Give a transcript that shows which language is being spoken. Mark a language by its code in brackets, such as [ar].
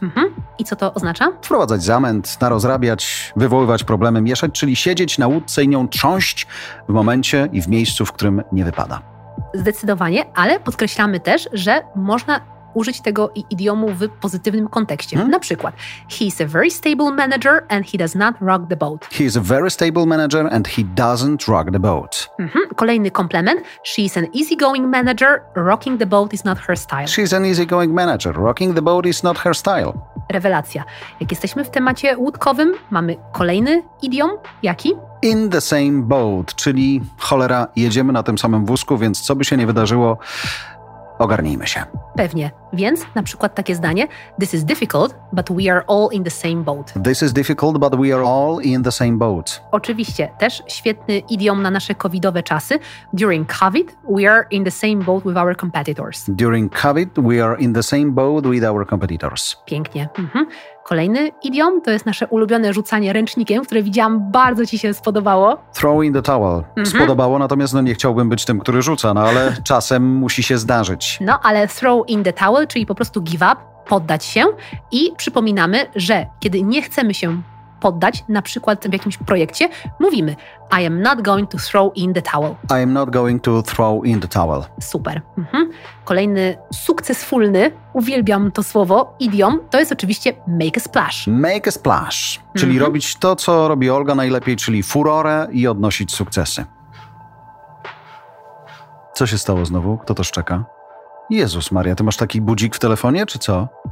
[pl] Mhm. I co to oznacza? Wprowadzać zamęt, narozrabiać, wywoływać problemy, mieszać, czyli siedzieć na łódce i nią trząść w momencie i w miejscu, w którym nie wypada. Zdecydowanie, ale podkreślamy też, że można użyć tego idiomu w pozytywnym kontekście. Na przykład, [en] he's a very stable manager and he does not rock the boat. He's a very stable manager and he doesn't rock the boat. Mhm. [pl] Kolejny komplement, [en] she's an easygoing manager, rocking the boat is not her style. She's an easygoing manager, rocking the boat is not her style. [pl] Rewelacja. Jak jesteśmy w temacie łódkowym, mamy kolejny idiom, jaki? [en] In the same boat, [pl] czyli cholera, jedziemy na tym samym wózku, więc co by się nie wydarzyło, ogarnijmy się. Pewnie. Więc na przykład takie zdanie, [en] this is difficult, but we are all in the same boat. This is difficult, but we are all in the same boat. [pl] Oczywiście, też świetny idiom na nasze covidowe czasy. [en] During COVID, we are in the same boat with our competitors. During COVID, we are in the same boat with our competitors. [pl] Pięknie. Mhm. Kolejny idiom, to jest nasze ulubione rzucanie ręcznikiem, które widziałam, bardzo ci się spodobało. [en] Throw in the towel. Mhm. [pl] Spodobało, natomiast no nie chciałbym być tym, który rzuca, no ale czasem musi się zdarzyć. No, ale throw in the towel, czyli po prostu [en] give up, [pl] poddać się. I przypominamy, że kiedy nie chcemy się poddać, na przykład w jakimś projekcie, mówimy [en] I am not going to throw in the towel. I am not going to throw in the towel. [pl] Super. Mhm. Kolejny sukcesfulny, uwielbiam to słowo, idiom, to jest oczywiście [en] make a splash. Make a splash, [pl] czyli robić to, co robi Olga najlepiej, czyli furorę i odnosić sukcesy. Co się stało znowu? Kto to szczeka? Jezus Maria, ty masz taki budzik w telefonie, czy co?